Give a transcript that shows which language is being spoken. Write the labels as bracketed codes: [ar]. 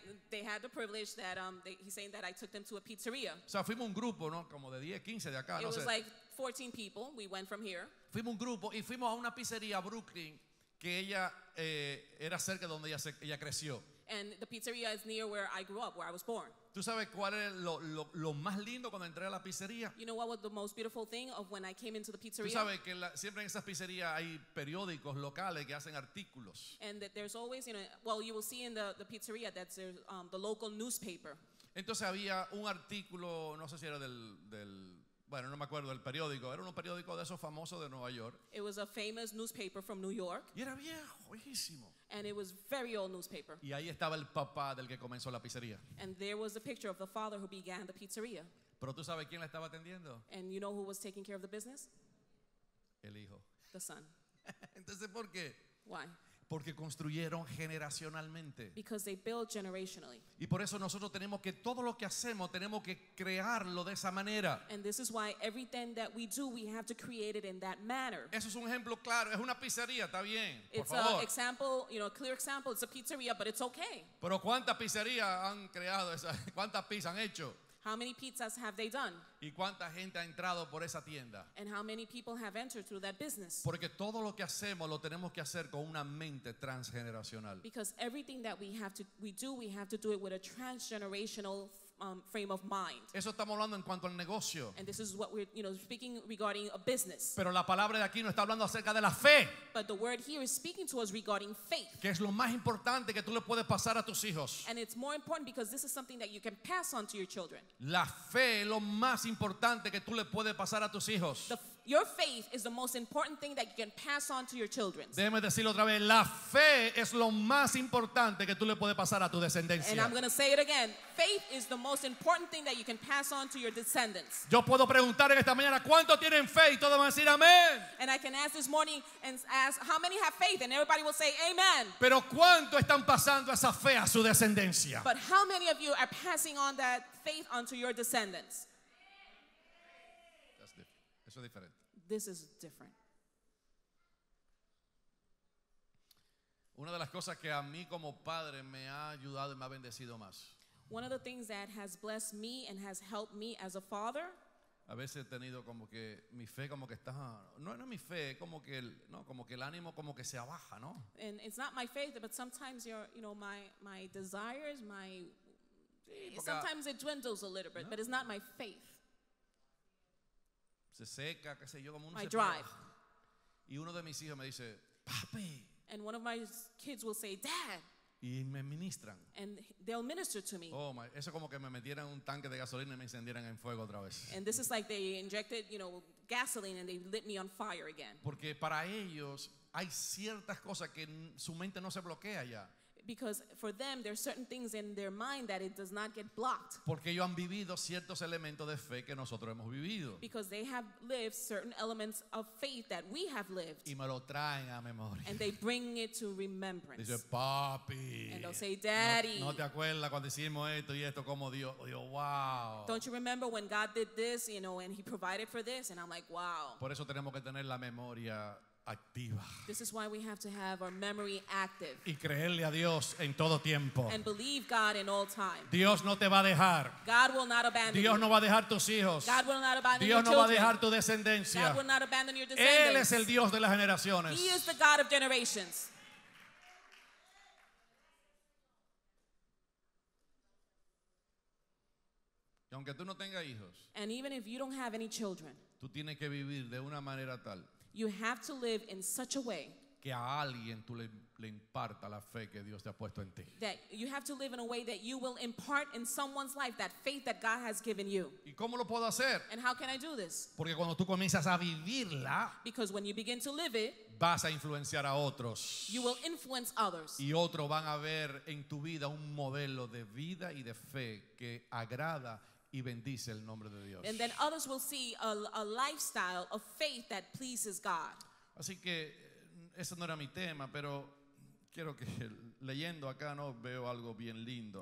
[en] They had the privilege that he's saying that I took them to a pizzeria. [es] O sea, fuimos un grupo, ¿no? Como de 10, 15 de acá. [en] It [es] no [en] was [es] sé. [en] Like 14 people. We went from here. [es] Fuimos un grupo y fuimos a una pizzería Brooklyn que ella era cerca de donde ella creció. [en] And the pizzeria is near where I grew up, where I was born. [es] ¿Tú sabes cuál es lo más lindo cuando entré a la pizzería? [en] You know what was the most beautiful thing of when I came into the pizzeria? [es] ¿Tú sabes que siempre en esas pizzerías hay periódicos locales que hacen artículos? [en] And that there's always, you know, well, you will see in the pizzeria that there's the local newspaper. [es] Entonces había un artículo, no sé si era del bueno, no me acuerdo del periódico. Era un periódico de esos famosos de Nueva York. [en] It was a famous newspaper from New York. [es] Y era viejísimo. [en] And it was very old newspaper. [es] Y ahí estaba el papá del que comenzó la pizzería. [en] And there was the picture of the father who began the pizzeria. [es] Pero tú sabes quién le estaba atendiendo. [en] And you know who was taking care of the business? [es] El hijo. [en] The son. [es] Entonces, ¿por qué? [en] Why? [es] Porque construyeron generacionalmente. [en] Because they build generationally. [es] Y por eso nosotros tenemos que todo lo que hacemos tenemos que crearlo de esa manera. [en] And this is why everything that we do we have to create it in that manner. [es] Eso es un ejemplo claro. Es una pizzería, está bien. [en] It's [es] por favor. [en] It's an example, you know, a clear example. It's a pizzeria, but it's okay. [es] Pero ¿cuántas pizzerías han creado esa? ¿Cuántas pizzas han hecho? [en] How many pizzas have they done? [es] ¿Y cuánta gente ha entrado por esa tienda? [en] And how many people have entered through that business? [es] Porque todo lo que hacemos lo tenemos que hacer con una mente transgeneracional. [en] Because everything that we have to do it with a transgenerational frame of mind. [es] Eso estamos hablando en cuanto al negocio. [en] And this is what we're, you know, speaking regarding a business. [es] Pero la palabra de aquí no está hablando acerca de la fe. [en] But the word here is speaking to us regarding faith. [es] Que es lo más importante que tú le puedes pasar a tus hijos. [en] And it's more important because this is something that you can pass on to your children. [es] La fe es lo más importante que tú le puedes pasar a tus hijos. [en] Your faith is the most important thing that you can pass on to your children. [es] Déjame decirlo otra vez. La fe es lo más importante que tú le puedes pasar a tu descendencia. [en] And I'm going to say it again. Faith is the most important thing that you can pass on to your descendants. [es] Yo puedo preguntar en esta mañana, ¿cuánto tienen fe? Y todos van a decir amén. [en] And I can ask this morning and ask how many have faith, and everybody will say amen. [es] Pero ¿cuánto están pasando esa fe a su descendencia? [en] But how many of you are passing on that faith onto your descendants? That's different. [es] Eso es diferente. [en] This is different. [es] Una de las cosas que a mí como padre me ha ayudado y me ha bendecido más. [en] One of the things that has blessed me and has helped me as a father. [es] A veces he tenido como que mi fe como que está, no mi fe, como que el ánimo como que se abaja, ¿no? [en] And it's not my faith, but sometimes my desires, my sometimes it dwindles a little bit, no. But it's not my faith. [es] Se seca, qué sé yo, como un [en] my drive. [es] Y uno de mis hijos me dice, papi. [en] And one of my kids will say, dad. [es] Y me ministran. [en] And they'll minister to me. [es] Oh, eso como que me metieran un tanque de gasolina y me encendieran en fuego otra vez. [en] And this is like they injected, you know, gasoline and they lit me on fire again. [es] Porque para ellos hay ciertas cosas que su mente no se bloquea ya. [en] Because for them, there are certain things in their mind that it does not get blocked. [es] Porque ellos han vivido ciertos elementos de fe que nosotros hemos vivido. [en] Because they have lived certain elements of faith that we have lived. [es] Y me lo traen a memoria. [en] And they bring it to remembrance. [es] Dice, papi. [en] And they'll say, daddy. [es] No te acuerdas cuando hicimos esto y esto como Dios, wow. [en] Don't you remember when God did this, you know, and he provided for this? And I'm like, wow. [es] Por eso tenemos que tener la memoria activa. [en] This is why we have to have our memory active. [es] Y creerle a Dios en todo tiempo. [en] And believe God in all time. [es] Dios no te va a dejar. [en] God will not abandon [es] Dios [en] you. [es] No va a dejar tus hijos. [en] God will not abandon your [es] no [en] children. [es] Va a dejar tu descendencia. [en] God will not abandon your descendants. [es] Él es el Dios de las generaciones. [en] He is the God of generations. [es] Y aunque tú no tengas hijos, [en] and even if you don't have any children, [es] tú tienes que vivir de una manera tal, [en] you have to live in such a way [es] que a alguien tú le imparta la fe que Dios te ha puesto en ti. [en] That you have to live in a way that you will impart in someone's life that faith that God has given you. [es] ¿Y cómo lo puedo hacer? [en] And how can I do this? [es] Porque cuando tú comienzas a vivirla, [en] because when you begin to live it, [es] vas a influenciar a otros. [en] You will influence others. [es] Y otros van a ver en tu vida un modelo de vida y de fe que agrada y bendice el nombre de Dios. [en] And then others will see a lifestyle of faith that pleases God. [es] Así que ese no era mi tema, pero quiero que leyendo acá no veo algo bien lindo.